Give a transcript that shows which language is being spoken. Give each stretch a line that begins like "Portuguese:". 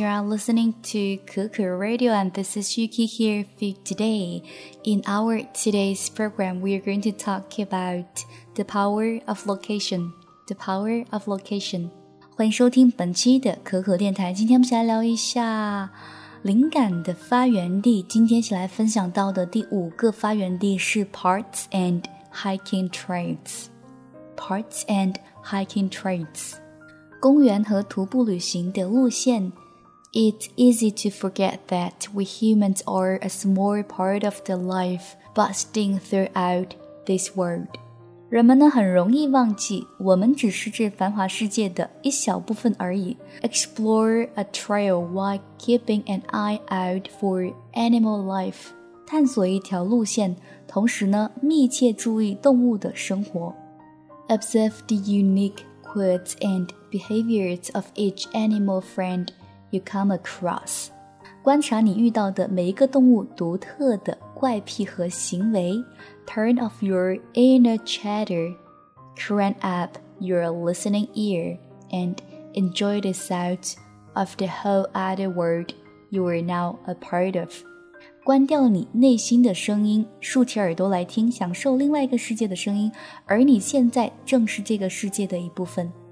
English: You are listening to Kuku Radio, and this is Yuki here for you today. In our today's program, we are going to talk about the power of location. The power of location.
Chinese: 欢迎收听本期的可可电台。今天我们来聊一下灵感的发源地。今天起来分享到的第五个发源地是
English: Parts and Hiking Trails. Parts and Hiking Trails.
Chinese: 公园和徒步旅行的路线。
English: It's easy to forget that we humans are a small part of the life bursting throughout this world.
Chinese: 人们呢很容易忘记我们只是这繁华世界的一小部分而已。
English: Explore a trail while keeping an eye out for animal life.
Chinese: 探索一条路线，同时呢密切注意动物的生活。
English: Observe the unique quirks andbehaviors of each animal friend you come across.
Chinese: 观察你遇到的每一个动物独特的怪癖和行为。
English: Turn off your inner chatter, crank up your listening ear, and enjoy the sounds of the whole other world you are now a part of.
Chinese: 关掉你内心的声音，竖起耳朵来听，享受另外一个世界的声音，而你现在正是这个世界的一部分。